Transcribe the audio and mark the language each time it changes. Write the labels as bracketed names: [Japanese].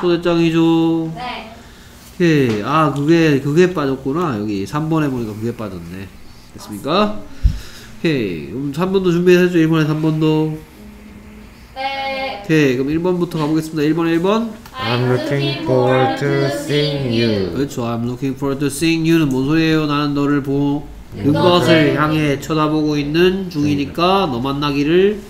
[Korean] 초대장이죠. 네. 오케이. 아 그게 빠졌구나. 여기 3번에 보니까 그게 빠졌네. 됐습니까? 오케이. 그럼 3번도 준비해서 1번에 3번도. 네. 오케이. 그럼 1번부터 가보겠습니다. 1번에 1번. [English] I'm looking forward to seeing you. [Korean] 그렇죠. [English] I'm looking forward to seeing you [Korean] 는 뭔 소리예요? 나는 너를 보고 는 것을 향해 쳐다보고 있는 중이니까 너 만나기를